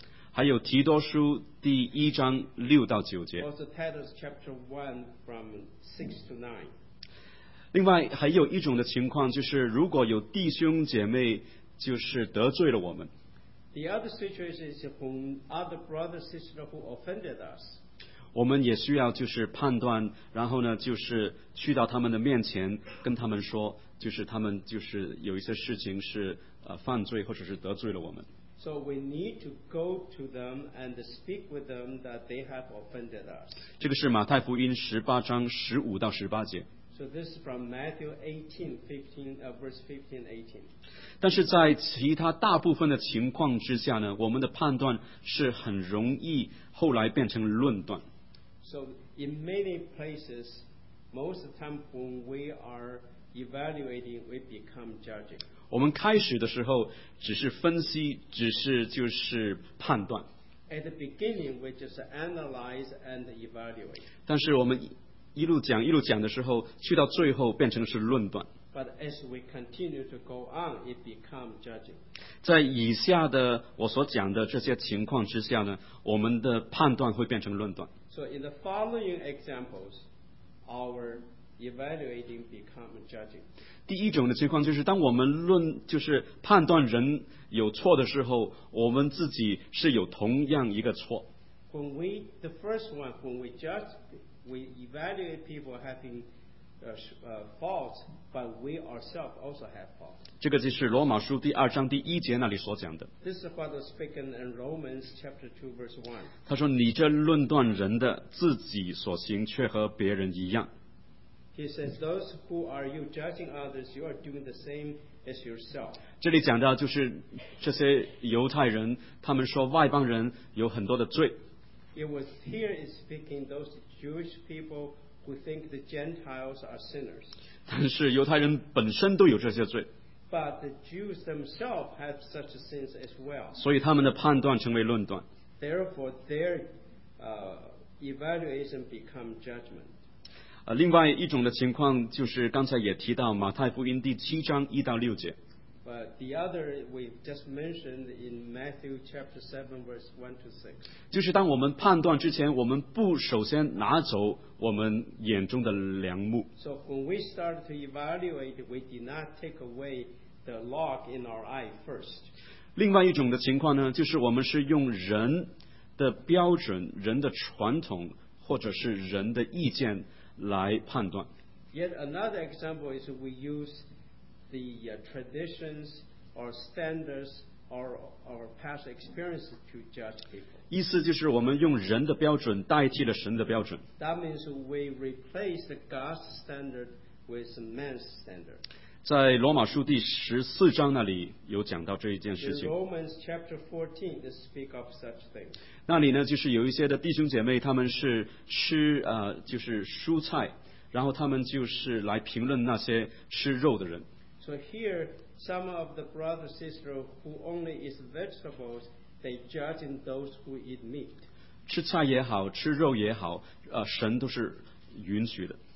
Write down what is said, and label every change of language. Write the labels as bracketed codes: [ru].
[zh] 还有提多书第一章六到九节。 [en] Also Titus chapter 1 from 6 to 9. [zh] 另外还有一种的情况，就是如果有弟兄姐妹就是得罪了我们。 [en] The other situation is when other brothers and sisters who offended us. [zh] 我们也需要就是判断，然后呢就是去到他们的面前跟他们说，就是他们就是有一些事情是犯罪或者是得罪了我们。 [en] So we need to go to them and speak with them that they have offended us. [zh] 这个是马太福音十八章十五到十八节。 [en] So this is from Matthew 18, 15, verse 15, 18. [zh] 但是在其他大部分的情况之下呢，我们的判断是很容易后来变成论断。 [en] So in many places, most of the time when we are evaluating, we become judging. [zh] 我们开始的时候只是分析，只是就是判断。 [en] At the beginning, we just analyze and evaluate. [zh] 但是我们一路讲一路讲的时候，去到最后变成是论断。 [en] But as we continue to go on, it becomes judging. [zh] 在以下的我所讲的这些情况之下呢，我们的判断会变成论断。 [en] So in the following examples, our evaluating becomes judging. [zh] 第一种的情况就是当我们论就是判断人有错的时候，我们自己是有同样一个错。 [en] When we the first one when we judge. We evaluate people having faults, but we ourselves also have faults. [zh] 这个就是罗马书第二章第一节那里所讲的。 [en] This is what was spoken in Romans chapter 2 verse 1. [zh] 他说你这论断人的自己所行却和别人一样。 [en] He says those who are you judging others, you are doing the same as yourself. [zh] 这里讲到就是这些犹太人，他们说外邦人有很多的罪。 [en] It was here is speaking those Jewish people who think the Gentiles are sinners. [zh] 但是犹太人本身都有这些罪。 [en] But the Jews themselves have such sins as well. [zh] 所以他们的判断成为论断。 [en] Therefore, their evaluation become judgment. [zh] 另外一种的情况就是刚才也提到马太福音第七章一到六节。 [en] But the other we just mentioned in Matthew chapter 7 verse 1 to 6. [zh] 就是当我们判断之前，我们不首先拿走我们眼中的梁木。 [en] So when we started to evaluate, we did not take away the log in our eye first. [zh] 另外一种的情况呢，就是我们是用人的标准、人的传统或者是人的意见来判断。 [en] Yet another example is we use the traditions or standards or past experiences to judge people. [zh] 意思就是我们用人的标准代替了神的标准。 [en] That means we replace the God's standard with man's standard. [zh] 在罗马书第十四章那里有讲到这一件事情。 [en] Romans chapter 14 they speak of such things. [zh] 那里呢，就是有一些的弟兄姐妹，他们是吃就是蔬菜，然后他们就是来评论那些吃肉的人。 [en] So here, some of the brothers and sisters who only eat vegetables, they judge those who eat meat. [zh] 吃菜也好，吃肉也好，神都是允许的。